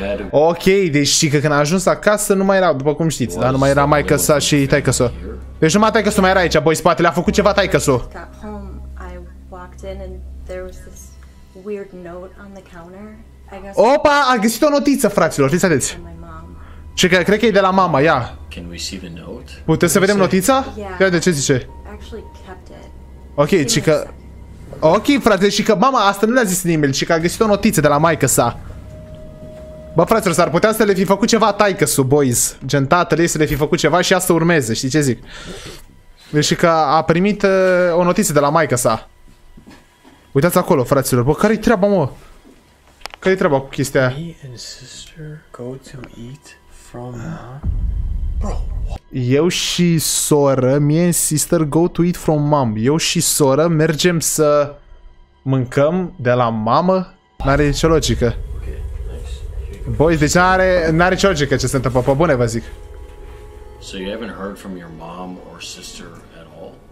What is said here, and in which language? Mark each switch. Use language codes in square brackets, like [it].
[ro] Ok, deci știi că când a ajuns acasă nu mai era, după cum știți, dar nu mai era maică-sa și taică-sa. Deci numai taică-sa mai era aici, boi, spatele, a făcut ceva taică-sa. [en] I walked in and there was this weird note on the counter. [ro] Opa, a găsit o notiță, fraților, fiți atenți. Ce, cred că e de la mama, ia. Puteți să vedem notița? Ia de ce zice. Ok, și că... Ok, frate, și că mama asta nu le-a zis nimeni, și că a găsit o notiță de la maică sa. Bă, fraților, s-ar putea să le fi făcut ceva taică-su, boys. Gen tatăl ei să le fi făcut ceva și asta urmeze, știi ce zic? Și că a primit o notiță de la maică sa. Uitați acolo, fraților. Bă, care-i treaba, mă? Care-i treaba cu chestia aia? [en] Me and sister go to eat from [ro] Eu și soră, [en] me and sister go to eat from mom. [ro] Eu și soră mergem să mâncăm de la mamă? N-are nicio logică. Boys, deci n-are nicio logică ce se întâmplă, pe bune vă zic. [en] So you haven't heard from your mom or sister at all?